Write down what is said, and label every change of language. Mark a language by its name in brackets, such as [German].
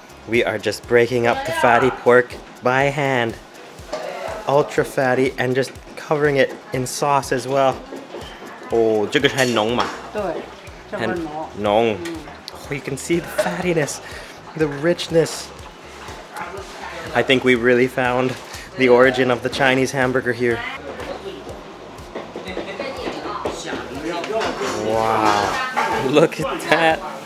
[English] We are just breaking up the fatty pork by hand. Ultra fatty and just covering it in sauce as well. [Chinese] 哦，这个是很浓嘛？对，这么浓。浓。 [English] Oh, you can see the fattiness, the richness. I think we really found the origin of the Chinese hamburger here. Wow, look at that.